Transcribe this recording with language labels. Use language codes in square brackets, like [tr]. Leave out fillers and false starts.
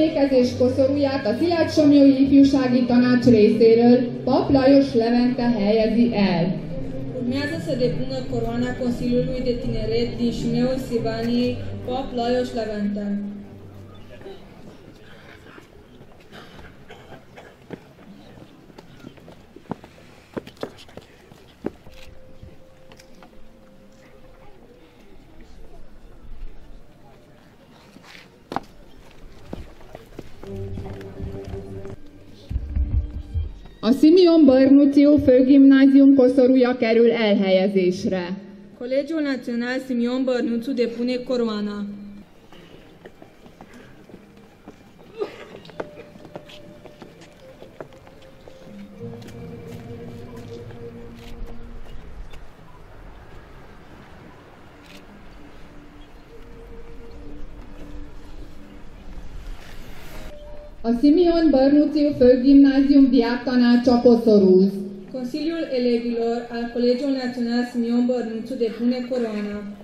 [hu] És koszorúját a Szilágysomlyói Ifjúsági Tanács részéről Pap Lajos Levente helyezi el. [ro] Urmează să depună coroana Consiliului de Tineret din Simeon Sivanii Pap Lajos Levente. [hu] A Simion Bărnuțiu Főgimnázium koszorúja kerül elhelyezésre. [ro] Collegiul Național Simion Bărnuțiu depune coroana. [hu] A Simion Bărnuțiu Főgimnázium diáktanácsa koszorúz. [ro] Consiliul elevilor al Colegiul Național Simion Bărnuțiu depune coroana.